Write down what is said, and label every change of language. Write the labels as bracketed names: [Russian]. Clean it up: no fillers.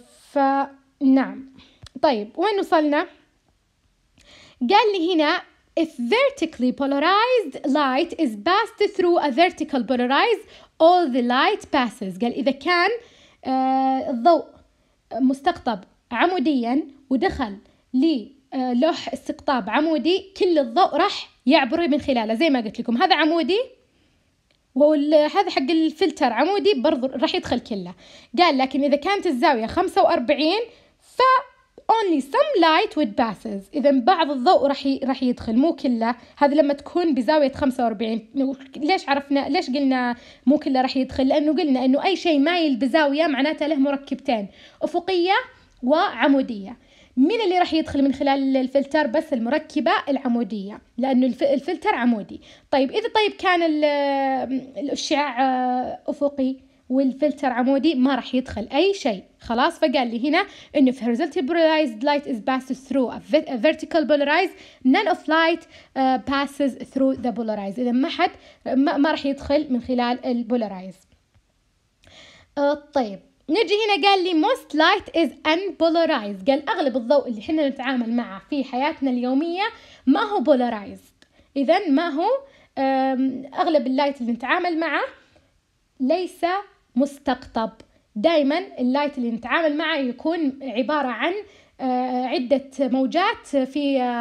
[Arabic] فنعم، طيب وين وصلنا؟ قال لي هنا [English] If vertically polarized light is passed through a vertical polarized, all the light passes. [Arabic] قال إذا كان الضوء مستقطب عموديا ودخل للوح استقطاب عمودي، كل الضوء راح يعبر من خلاله، زي ما قلت لكم هذا عمودي وهذا حق الفلتر عمودي، برضو راح يدخل كله. قال لكن إذا كانت الزاوية 45 ف [English] only some light would passes، [Arabic] اذا بعض الضوء راح يدخل مو كله، هذا لما تكون بزاويه 45. ليش عرفنا، ليش قلنا مو كله راح يدخل؟ لانه قلنا انه اي شيء مايل بزاويه معناته له مركبتين، افقيه وعموديه. مين اللي راح يدخل من خلال الفلتر؟ بس المركبه العموديه، لانه الفلتر عمودي. طيب اذا كان الاشعاع افقي والفلتر عمودي، ما رح يدخل أي شيء، خلاص. فقال لي هنا إنه في [English] horizontally polarized light is passed through a vertical polarized, none of light passes through the polarized. [Arabic] إذا ما رح يدخل من خلال البولارايزد. طيب نجي هنا، قال لي [English] most light is unpolarized. [Arabic] قال أغلب الضوء اللي حنا نتعامل معه في حياتنا اليومية ما هو polarized، إذا ما هو أغلب اللايت اللي نتعامل معه ليس مستقطب، دائما اللايت اللي نتعامل معه يكون عبارة عن عدة موجات في